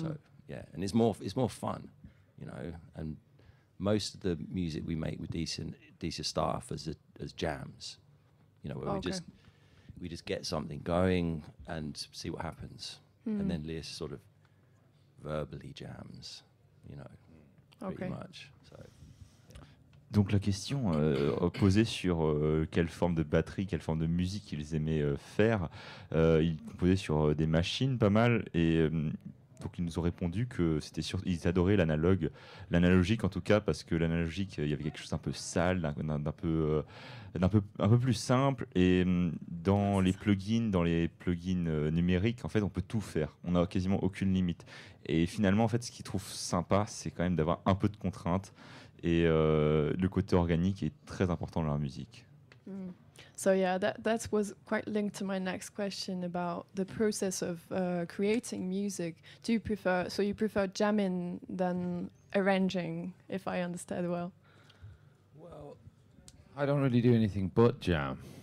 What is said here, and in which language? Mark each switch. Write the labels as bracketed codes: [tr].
[en] So, yeah, and it's more fun, and most of the music we make with Decius staff as jams, we just get something going and see what happens, and then Lias sort of verbally jams, pretty much. So. [fr] Donc la question posée sur quelle forme de batterie, quelle forme de musique ils aimaient faire, ils composaient sur des machines pas mal et. Donc ils nous ont répondu que c'était sûr, ils adoraient l'analogique en tout cas parce que l'analogique il y avait quelque chose d'un peu sale, d'un peu plus simple et dans les plugins numériques en fait on peut tout faire, on n'a quasiment aucune limite et finalement en fait ce qu'ils trouvent sympa c'est quand même d'avoir un peu de contrainte et le côté organique est très important dans leur musique. [en] So yeah, that was quite linked to my next question about the process of creating music. Do you prefer, so you prefer jamming than arranging, if I understand well? Well, I don't really do anything but jam.